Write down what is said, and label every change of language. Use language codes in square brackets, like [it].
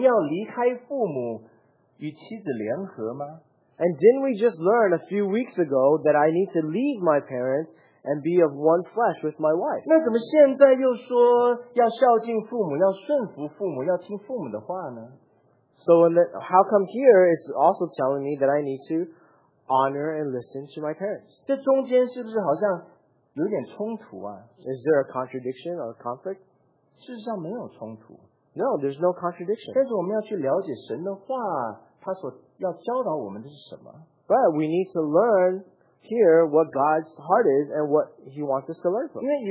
[zh] 哦,我还记得前几周我们不是读创世纪第二章说人要离开父母与妻子联合吗? [en] And didn't we just learn a few weeks ago that I need to leave my parents and be of one flesh with my wife? [zh] 那怎么现在又说要孝敬父母,要顺服父母,要听父母的话呢? [en] So how come here it's also telling me that I need to honor and listen to my parents? [zh] 这中间是不是好像有点冲突啊? [en] Is there a contradiction or a conflict? [zh] 事实上没有冲突。 [en] No, there's no contradiction. [zh] 但是我们要去了解神的话,他所要教导我们的是什么? [en] But we need to learn here what God's heart is and what He wants us to learn from.